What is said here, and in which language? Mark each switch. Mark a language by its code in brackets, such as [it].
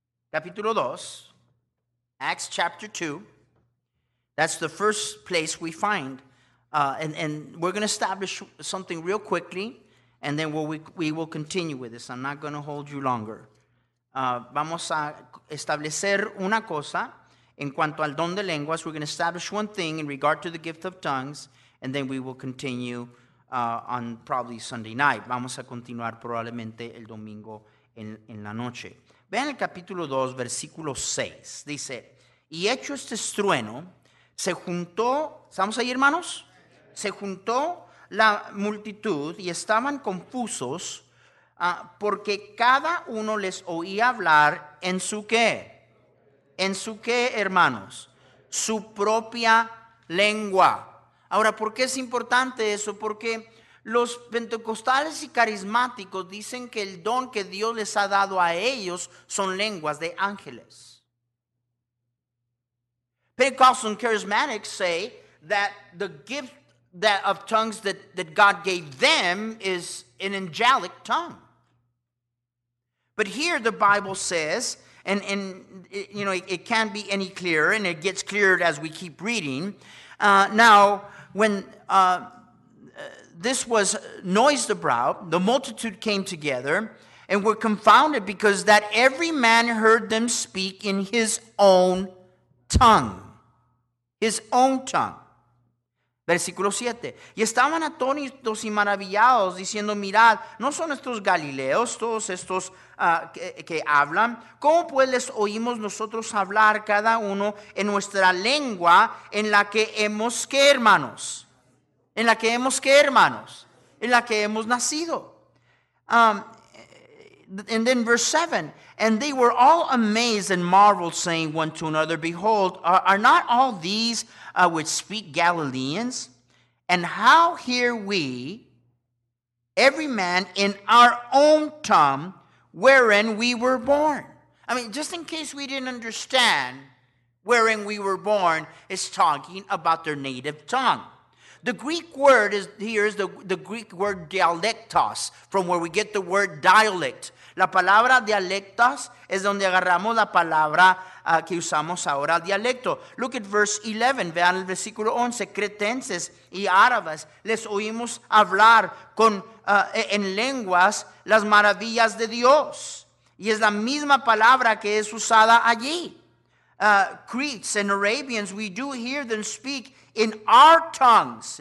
[es] Capítulo 2, [en] Acts chapter 2, that's the first place we find, and we're going to establish something real quickly. And then we will continue with this. I'm not going to hold you longer. [es] Vamos a establecer una cosa en cuanto al don de lenguas. [en] We're going to establish one thing in regard to the gift of tongues. And then we will continue on probably Sunday night. [es] Vamos a continuar probablemente el domingo en la noche. Vean el capítulo 2, versículo 6. Dice, y hecho este estruendo, se juntó. ¿Estamos ahí, hermanos? Se juntó la multitud y estaban confusos porque cada uno les oía hablar en su qué. ¿En su qué, hermanos? Su propia lengua. Ahora, ¿por qué es importante eso? Porque los pentecostales y carismáticos dicen que el don que Dios les ha dado a ellos son lenguas de ángeles. [en] Pentecostals and charismatics say that the gift that of tongues that God gave them is an angelic tongue. But here the Bible says, and it, you know, it can't be any clearer, and it gets clearer as we keep reading. Now, when this was noised abroad, the multitude came together, And were confounded because that every man heard them speak in his own tongue. His own tongue. [es] Versículo 7. Y estaban atónitos y maravillados, diciendo, mirad, ¿no son estos galileos todos estos que hablan? ¿Cómo pues les oímos nosotros hablar cada uno en nuestra lengua en la que hemos, qué hermanos? ¿En la que hemos, qué hermanos? En la que hemos nacido. [en] And then verse 7. And they were all amazed and marveled, saying one to another, behold, are not all these which speak Galileans? And how hear we, every man, in our own tongue, wherein we were born? I mean, just in case we didn't understand, wherein we were born is talking about their native tongue. The Greek word is here is the Greek word dialectos, from where we get the word dialect. [es] La palabra dialectos es donde agarramos la palabra que usamos ahora, dialecto. [en] Look at verse 11, [es] vean el versículo 11. Cretenses y árabes les oímos hablar con en lenguas las maravillas de Dios. Y es la misma palabra que es usada allí. [en] Cretes and Arabians, we do hear them speak in our tongues.